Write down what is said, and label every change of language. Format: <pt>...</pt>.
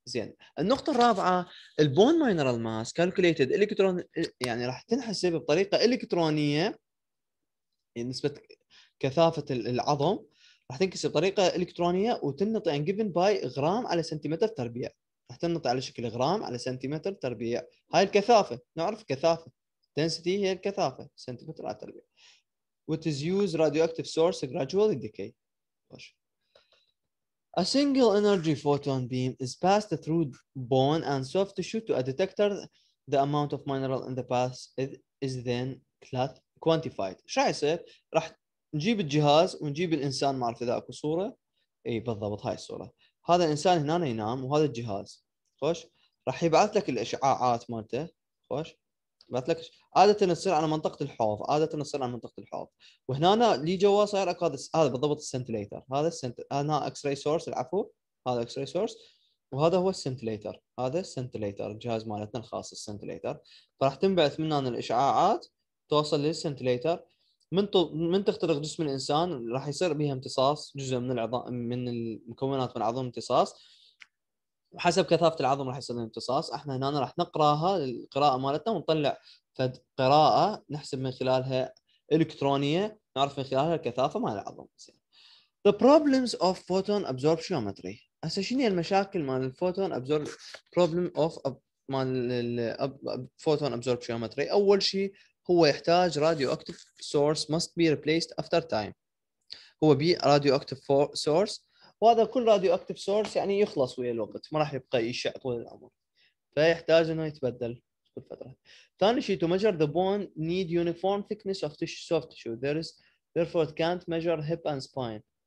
<ar>زين، النقطه الرابعه البون ماينرال ماس كالكوليتد الكترون، يعني راح تنحسب بطريقه الكترونيه، يعني نسبه كثافه العظم راح تنكسب بطريقه الكترونيه وتنطي</ar> <en>ان جيفن باي</en> <ar>غرام على سنتيمتر تربيع. راح تنطي على شكل غرام على سنتيمتر تربيع. هاي الكثافه، نعرف كثافه density هي الكثافه سنتيمتر على تربيع.</ar> <en>What is used radioactive source gradually decay. A single energy photon beam is passed through bone and soft tissue to a detector. The amount of mineral in the path is then quantified.</en> <ar>شو راح يصير؟ راح نجيب الجهاز ونجيب الانسان، ما اعرف اذا اكو صوره. اي بالضبط هاي الصوره. هذا الانسان هنا ينام وهذا الجهاز. خوش، راح يبعث لك الاشعاعات مالته. خوش، يبعث لك عاده تصير على منطقه الحوض، عاده تصير على منطقه الحوض. وهنا لي جوا صاير اكو هذا بالضبط السنتليتر. هذا انا اكس راي سورس، العفو، هذا اكس راي سورس، وهذا هو السنتليتر. هذا السنتليتر الجهاز مالتنا الخاص السنتليتر. فراح تنبعث مننا الاشعاعات توصل للسنتليتر. من تخترق جسم الانسان راح يصير بها امتصاص جزء من العظام، من المكونات من عظم امتصاص، وحسب كثافه العظم راح يصير الامتصاص. احنا هنا راح نقراها القراءه مالتنا ونطلع فد قراءه نحسب من خلالها الكترونيه، نعرف من خلالها الكثافه مال العظم.</ar> <en>The problems of photon absorptiometry.</en> <ar>هسه شنو هي المشاكل مال الفوتون absorption problem of مال الفوتون absorptiometry؟ اول شيء هو يحتاج راديو اكتف سورس</ar> <en>must be replaced after time.</en> <ar>هو بي راديو اكتف سورس، وهذا كل راديو اكتف سورس يعني يخلص ويا الوقت، ما راح يبقى يشع طول العمر، فيحتاج انه يتبدل كل فتره. ثاني شيء</ar> <en>to measure the bone need uniform thickness of the soft tissue. There is therefore it can't measure hip and spine.</en>